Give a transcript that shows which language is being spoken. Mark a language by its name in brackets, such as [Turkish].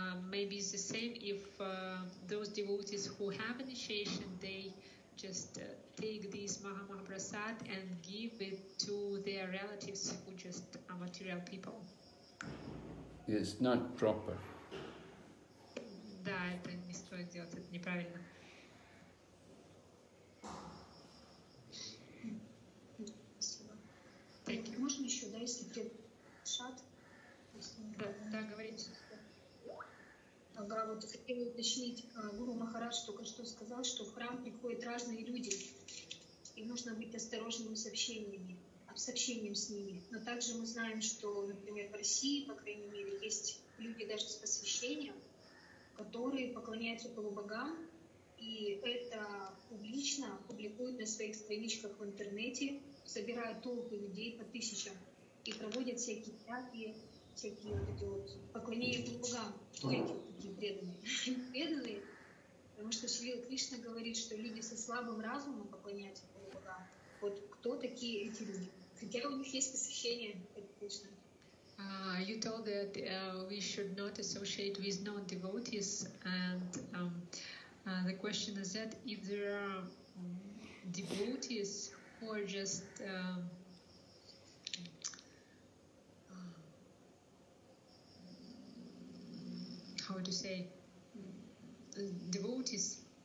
[English] Maybe it's the same if those devotees who have initiation, they just take this Mahamahaprasad and give it to their relatives who just are material people. It's not proper. [Russian] Да, это не стоит делать, это неправильно. Можно еще, да, если тебе шат? Да, говорите. Ага, вот хотела уточнить, Гуру Махарадж только что сказал, что в храм приходят разные люди, и нужно быть осторожным с общением с ними. Но также мы знаем, что, например, в России, по крайней мере, есть люди даже с посвящением, которые поклоняются полубогам, и это публично публикуют на своих страничках в интернете, собирая толпы людей по тысячам, и проводят всякие театры, всякие вот эти вот поклонения полубогам. Кто эти такие преданные? Преданные, потому что Шрила Кришна говорит, что люди со слабым разумом поклоняются полубогам. Вот кто такие эти люди? Хотя у них есть посвящение, это точно. [English] You told that we should not associate with non-devotees, and the question is that if there are devotees who are just how to say devotees